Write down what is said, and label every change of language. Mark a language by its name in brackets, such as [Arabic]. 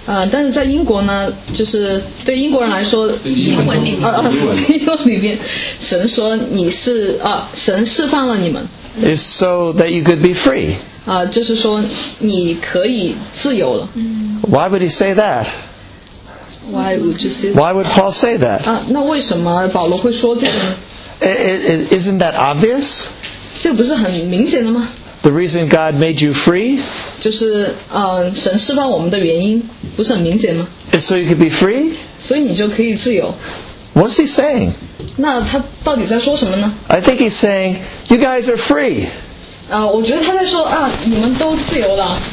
[Chinese] 但是在英国呢，就是对英国人来说，英文里面，神说你是，神释放了你们。 [English] Is so that you could be free. [Chinese] 就是说你可以自由了。 [English] Why would he say that? Why would Paul say that? [Chinese] 那为什么保罗会说这个呢？ [English] Isn't that obvious? [Chinese] 这不是很明显的吗？ [English] The reason God made you free? [Chinese] 就是神释放我们的原因，不是很明显吗？ [English] Is so you could be free? [Chinese] 所以你就可以自由。 [English] What's he saying? [Chinese] 那他到底在说什么呢？ [English] I think he's saying, you guys are free. [Chinese] 我觉得他在说啊，你们都自由了。